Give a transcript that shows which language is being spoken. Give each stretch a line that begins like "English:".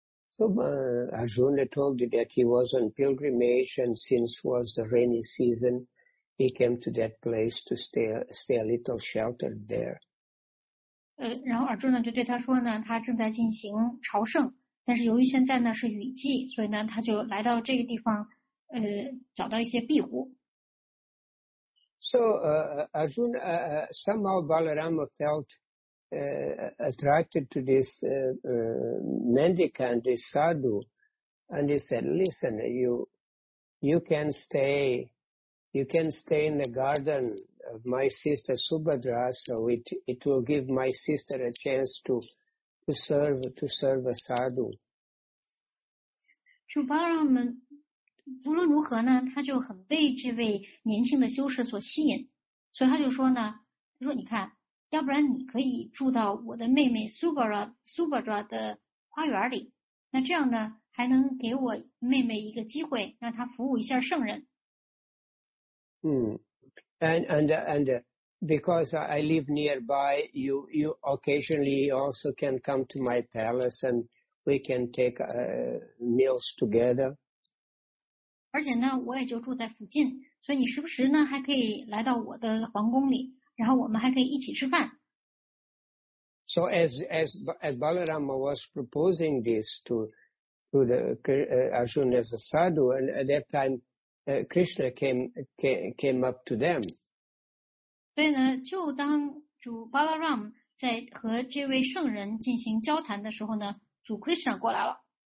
English: So Arjuna told you that he was on pilgrimage and since was the rainy season, he came to that place to stay a little sheltered there.
Chinese: 然后 Arjuna 就对他说呢，他正在进行朝圣，但是由于现在呢是雨季，所以呢他就来到这个地方，找到一些庇护。
English: So Arjuna, somehow Balarama felt attracted to this mendicant, this sadhu, and he said, listen, you can stay in the garden of my sister Subhadra, so it will give my sister a chance to serve a sadhu.
Chinese: 就巴拉们无论如何呢，他就很被这位年轻的修士所吸引，所以他就说呢，他说你看，要不然你可以住到我的妹妹 Subhadra 的花园里，那这样呢还能给我妹妹一个机会让她服务一下圣人。
English: And because I live nearby, you occasionally also can come to my palace and we can take meals together.
Chinese: 而且呢我也就住在附近，所以你时不时呢还可以来到我的皇宫里，然后我们还可以一起吃饭。
English: So as Balarama was proposing this to the Arjuna as a sadhu, and at that time Krishna came up to them.
Chinese: 所以呢，就当主 Balarama 在和这位圣人进行交谈的时候呢，主 Krishna 过来了。